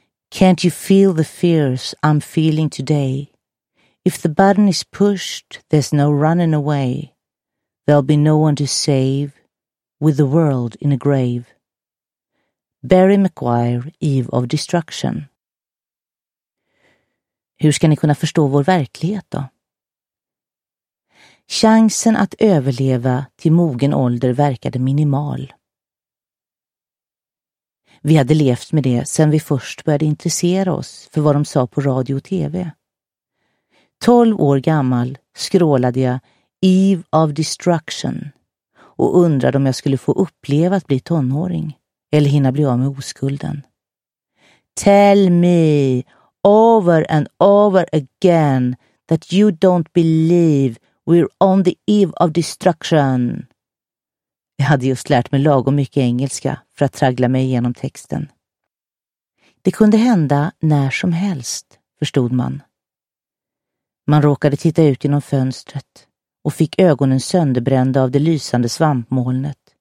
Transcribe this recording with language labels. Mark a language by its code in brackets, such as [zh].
[en] Can't you feel the fears I'm feeling today? If the button is pushed, there's no running away. There'll be no one to save, with the world in a grave. Barry McGuire, Eve of Destruction. [sv] Hur ska ni kunna förstå vår verklighet då? Chansen att överleva till mogen ålder verkade minimal. Vi hade levt med det sedan vi först började intressera oss för vad de sa på radio och tv. 12 år gammal skrålade jag Eve of Destruction och undrade om jag skulle få uppleva att bli tonåring. Eller hinna bli av med oskulden. [en] Tell me over and over again that you don't believe we're on the eve of destruction. [sv] Jag hade just lärt mig lagom mycket engelska för att traggla mig igenom texten. Det kunde hända när som helst, förstod man. Man råkade titta ut genom fönstret och fick ögonen sönderbrända av det lysande svampmolnet.